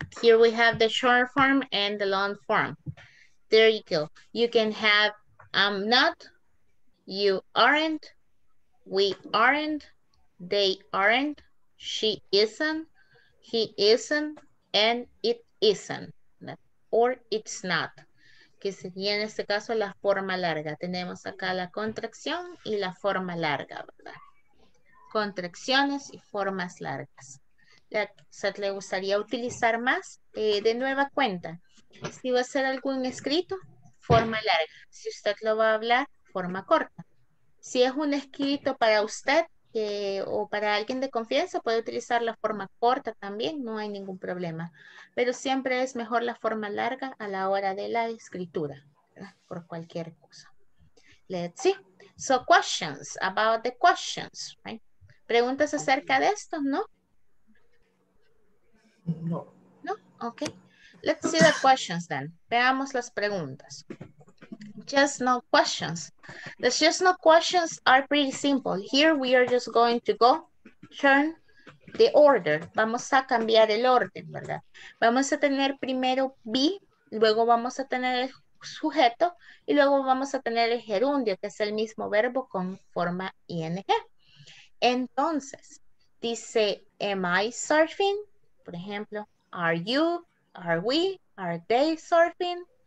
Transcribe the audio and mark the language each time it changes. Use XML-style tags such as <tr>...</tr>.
<en>Here we have the short form and the long form. There you go. You can have I'm not. You aren't, we aren't, they aren't, she isn't, he isn't, and it isn't, or it's not.</en> <es>Que sería en este caso la forma larga. Tenemos acá la contracción y la forma larga, ¿verdad? Contracciones y formas largas. ¿Le gustaría utilizar más? De nueva cuenta, si va a hacer algún escrito, forma larga. Si usted lo va a hablar, forma corta. Si es un escrito para usted o para alguien de confianza, puede utilizar la forma corta también, no hay ningún problema. Pero siempre es mejor la forma larga a la hora de la escritura, ¿verdad? Por cualquier cosa.</es> <en>Let's see. So questions about the questions, right?</en> <es>¿Preguntas acerca de esto, no? No.</es> <en>No, ok. Let's see the questions then.</en> <es>Veamos las preguntas.</es> <en>Just no questions. The just no questions are pretty simple. Here we are just going to go turn the order.</en> <es>Vamos a cambiar el orden, ¿verdad? Vamos a tener primero be, luego vamos a tener el sujeto y luego vamos a tener el gerundio, que es el mismo verbo con forma ing. Entonces, dice,</es> <en>am I surfing?</en> <es>Por ejemplo,</es> <en>are you, are we, are they surfing?</en>